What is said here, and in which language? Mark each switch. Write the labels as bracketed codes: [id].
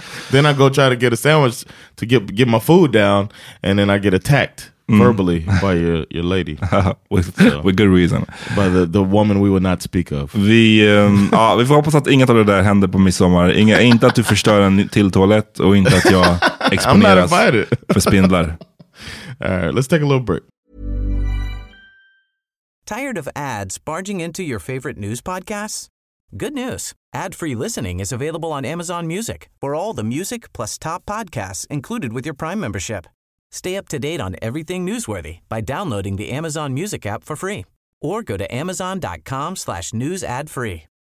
[en] Then I go try to get a sandwich to get my food down, and then I get attacked verbally by your lady. with good reason. By the woman we would not speak of. [sv] Vi får hoppas att inget av det där händer på midsommar. Inte att du förstör en till toalett och inte att jag exponeras för spindlar. [en] All right, let's take a little break. Tired of ads barging into your favorite news podcasts? Good news. Ad-free listening is available on Amazon Music for all the music plus top podcasts included with your Prime membership. Stay up to date on everything newsworthy by downloading the Amazon Music app for free or go to amazon.com/newsadfree.